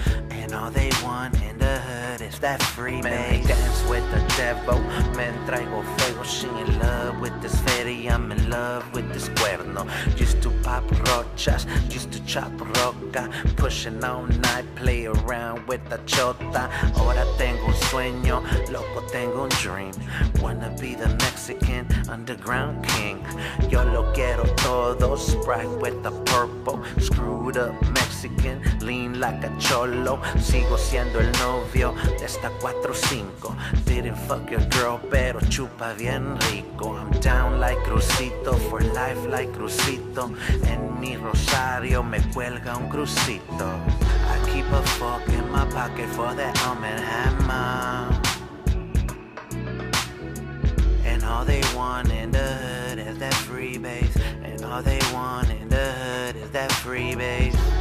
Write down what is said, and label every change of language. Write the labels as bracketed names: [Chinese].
[English] And all they want in the hood is that free base. Man, they dance with the devil. Man, traigo fuego. She in love with this fairy. I'm in love with this cuerno. Used to pop rochas, used to chop roca. Pushing all night, play around with the chota. [Spanish] Ahora tengo un sueño, loco tengo un dream. [English] Wanna be the Mexican underground king. Yo lo quiero todo, Sprite with the purple. Screwed up Mexican, lean like a cholo. [Spanish] Sigo siendo el novio de esta 4-5. [English] Didn't fuck your girl, pero chupa bien rico. I'm down like Crucito, for life like Crucito. [Spanish] En mi rosario me cuelga un crucito. [English] I keep a fork in my pocket for that almond hammer. And all they want in the hood is that free base. And all they want in the hood is that free base.